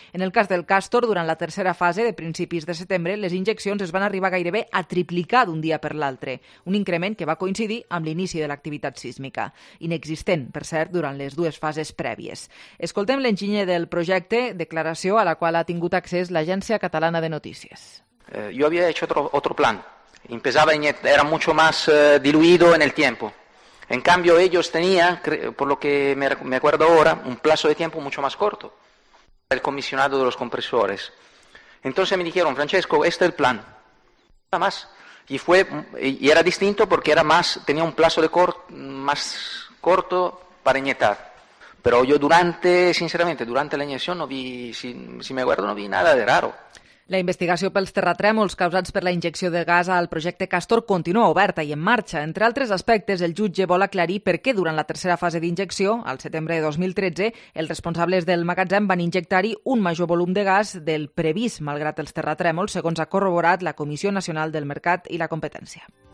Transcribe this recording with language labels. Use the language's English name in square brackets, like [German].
[Catalan] En el cas del Castor, durant la tercera fase, de principis de setembre, les injeccions es van arribar gairebé a triplicar d'un dia per l'altre, un increment que va coincidir amb l'inici de l'activitat sísmica, inexistent, per cert, durant les dues fases prèvies. Escoltem l'enginyer del projecte, declaració a la qual ha tingut accés l'Agència Catalana de Notícies. [Spanish] Yo había hecho otro plan. Empezaba en, era mucho más diluido en el tiempo. En cambio, ellos tenían, por lo que me acuerdo ahora, un plazo de tiempo mucho más corto, el comisionado de los compresores. Entonces me dijeron, Francesco, este es el plan. Nada más. Y era distinto porque era más, tenía un plazo de más corto para inyectar. Pero yo durante, sinceramente, durante la inyección no vi, si me acuerdo, no vi nada de raro. [Catalan] La investigació pels terratrèmols causats per la injecció de gas al projecte Castor continua oberta i en marxa. Entre altres aspectes, el jutge vol aclarir per què durant la tercera fase d'injecció, al setembre de 2013, els responsables del magatzem van injectar-hi un major volum de gas del previst, malgrat els terratrèmols, segons ha corroborat la Comissió Nacional del Mercat i la Competència.